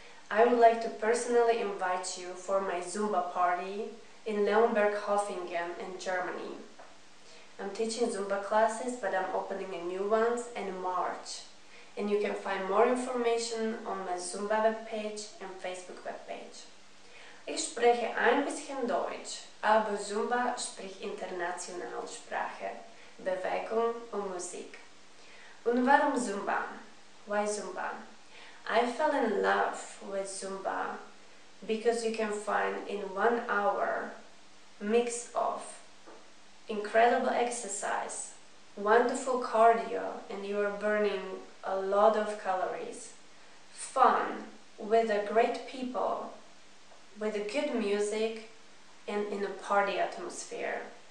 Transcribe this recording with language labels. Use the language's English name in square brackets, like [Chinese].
[English] I would like to personally invite you for my Zumba party in Leonberg, Hofingen, in Germany. I'm teaching Zumba classes, but I'm opening a new ones in March. And you can find more information on my Zumba webpage and Facebook webpage. [German] Ich spreche ein bisschen Deutsch, aber Zumba spricht internationale Sprache, Bewegung und Musik. Und warum Zumba? [English] Why Zumba? I fell in love with Zumba because you can find in 1 hour mix of incredible exercise, wonderful cardio, and you are burning a lot of calories, fun with a great people, with a good music, and in a party atmosphere.